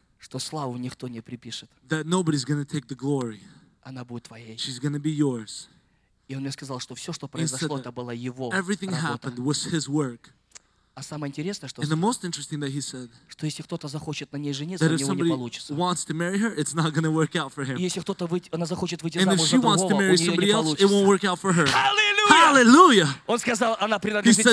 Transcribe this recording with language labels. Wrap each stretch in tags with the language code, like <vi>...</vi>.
<ru>что славу никто не припишет.</ru> <en>That nobody's gonna take the glory.</en> <ru>Она будет твоей.</ru> <en>She's gonna be yours.</en> <ru>И он мне сказал, что все, что произошло, это было его</ru> <en>everything</en> <ru>работа.</ru> <en>Happened was his work.</en> <ru>А самое интересное, что</ru> <en>And the most interesting that he said,</en> <ru>что если кто-то захочет на ней жениться, у него не получится.</ru> <en>Wants to marry her, it's not gonna work out for him.</en> <ru>Если кто-то она захочет выйти</ru> <en>And</en> <ru>замуж</ru> <en>if</en> <ru>за другого, у нее не получится.</ru> <en>It won't work out for her. Hallelujah!</en> <ru>Он сказал, она принадлежит тебе.</ru>